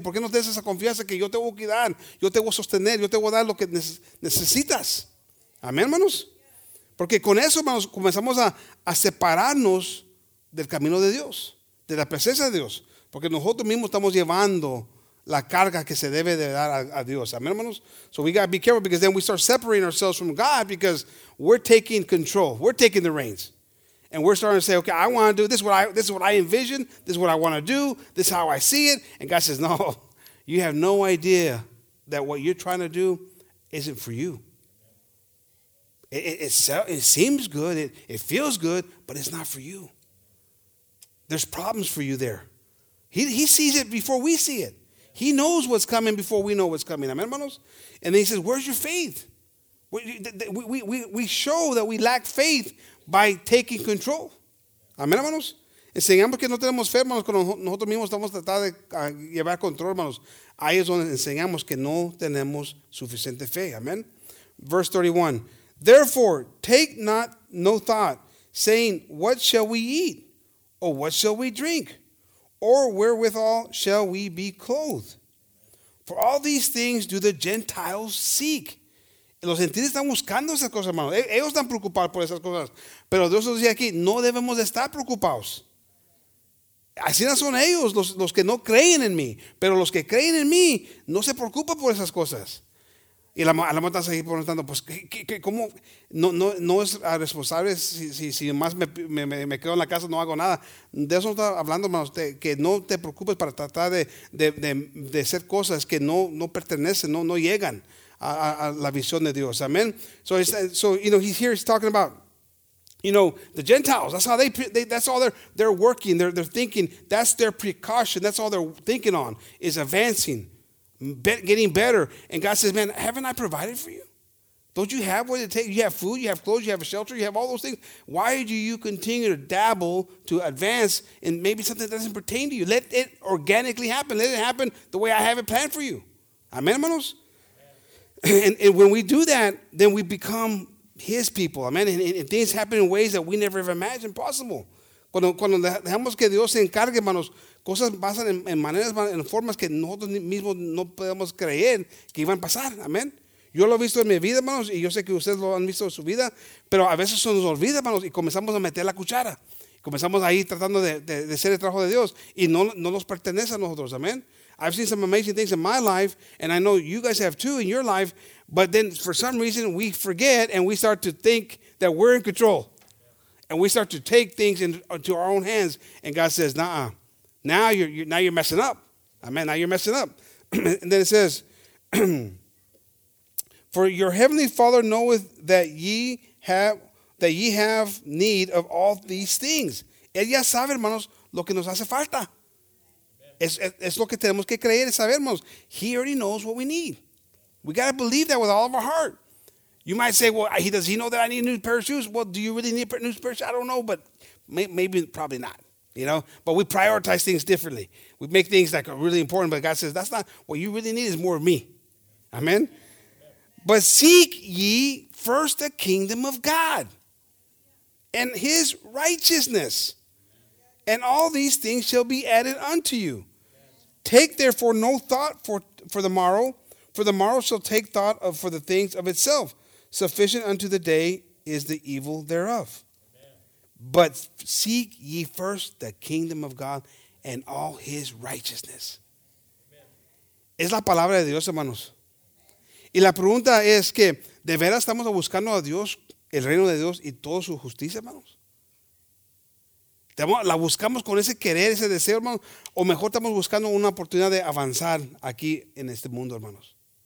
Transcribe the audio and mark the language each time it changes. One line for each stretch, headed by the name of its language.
Spanish: ¿Por qué no tienes esa confianza que yo te voy a cuidar? Yo te voy a sostener. Yo te voy a dar lo que necesitas. ¿Amén, hermanos? Porque con eso, hermanos, comenzamos a separarnos del camino de Dios, de la presencia de Dios. Porque nosotros mismos estamos llevando la carga que se debe de dar a Dios. ¿Amén, hermanos?
English: So we got to be careful because then we start separating ourselves from God because we're taking control. We're taking the reins. And we're starting to say, okay, I want to do this. This is what I envision. This is what I want to do. This is how I see it. And God says, no, you have no idea that what you're trying to do isn't for you. It seems good. It feels good, but it's not for you. There's problems for you there. He sees it before we see it. He knows what's coming before we know what's coming. Amen, hermanos? And then he says, where's your faith? We show that we lack faith by taking control.
Spanish: Amén, hermanos. Enseñamos que no tenemos fe, hermanos, cuando nosotros mismos estamos tratando de llevar control, hermanos. Ahí es donde enseñamos que no tenemos suficiente fe.
English: Amén. Verse 31. Therefore, take not no thought, saying, what shall we eat? Or what shall we drink? Or wherewithal shall we be clothed? For all these things do the Gentiles seek.
Spanish: Los gentiles están buscando esas cosas, hermanos. Ellos están preocupados por esas cosas. Pero Dios nos dice aquí, no debemos estar preocupados. Así no son ellos, los que no creen en mí. Pero los que creen en mí, no se preocupan por esas cosas. Y la mamá está ahí preguntando, pues, ¿cómo? No es responsable si más me quedo en la casa, no hago nada. De eso está hablando, hermanos, que no te preocupes para tratar de hacer cosas que no pertenecen, no llegan. A la visión de Dios. Amen.
English: So you know, he's talking about, you know, the Gentiles. That's how they that's all they're working. They're thinking. That's their precaution. That's all they're thinking on is advancing, getting better. And God says, man, haven't I provided for you? Don't you have what it takes? You have food, you have clothes, you have a shelter, you have all those things. Why do you continue to dabble to advance in maybe something that doesn't pertain to you? Let it organically happen. Let it happen the way I have it planned for you. Amen, hermanos. And when we do that, then we become his people, amen? And things happen in ways that we never ever imagined possible.
Spanish: Cuando dejamos que Dios se encargue, hermanos, cosas pasan en maneras, en formas que nosotros mismos no podemos creer que iban a pasar, amen? Yo lo he visto en mi vida, hermanos, y yo sé que ustedes lo han visto en su vida, pero a veces se nos olvida, hermanos, y comenzamos a meter la cuchara. Comenzamos ahí tratando de hacer el trabajo de Dios y no nos pertenece a nosotros, amen?
English: I've seen some amazing things in my life, and I know you guys have too in your life, but then for some reason we forget and we start to think that we're in control. And we start to take things into our own hands, and God says, nah, now you're messing up. Amen, now you're messing up. And then it says, for your heavenly Father knoweth that ye have need of all these things.
Spanish: Él ya sabe, hermanos, lo que nos hace falta. Es lo que tenemos que creer y saber, hermanos.
English: He already knows what we need. We got to believe that with all of our heart. You might say, well, does he know that I need a new pair of shoes? Well, do you really need a new pair of shoes? I don't know, but maybe, probably not, you know. But we prioritize things differently. We make things that are really important, but God says, that's not what you really need. Is more of me. Amen? But seek ye first the kingdom of God and his righteousness, and all these things shall be added unto you. Take therefore no thought for the morrow, for the morrow shall take thought of for the things of itself. Sufficient unto the day is the evil thereof. But seek ye first the kingdom of God and all his righteousness.
Spanish: Es la palabra de Dios, hermanos. Y la pregunta es que, ¿de veras estamos buscando a Dios, el reino de Dios y toda su justicia, hermanos? ¿La buscamos con ese querer, ese deseo, hermanos? ¿O mejor estamos buscando una oportunidad de avanzar aquí en este mundo, hermanos?